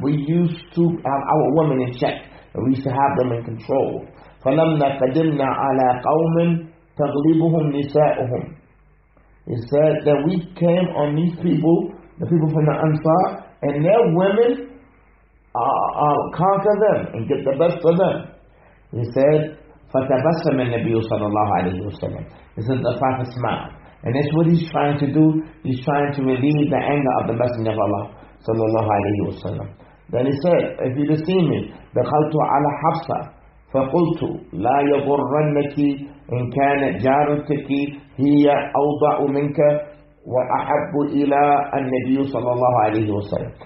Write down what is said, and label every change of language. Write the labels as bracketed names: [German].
[English] We used to have our women in check. We used to have them in control. [Arabic] فَلَمَّا قَدِمْنَا عَلَىٰ قَوْمٍ تَغْلِبُهُمْ نِسَاءُهُمْ. [English] He said that we came on these people, the people from the Ansar, and their women conquer them and get the best of them. [Arabic] He said, فَتَبَسَّمَ النَّبِيُّ صَلَى اللَّهُ عَلَيْهِ وَسَلَّمَ. [English] This is the Prophet smile. And that's what he's trying to do. He's trying to relieve the anger of the Messenger of Allah, sallallahu alayhi wa sallam. [Arabic] Then he said, if you'd have seen me, دخلت على حفصة فقلت لا يغرنك إن كانت جارتك هي أوضع منك وأحب إلى النبي صلى الله عليه وسلم.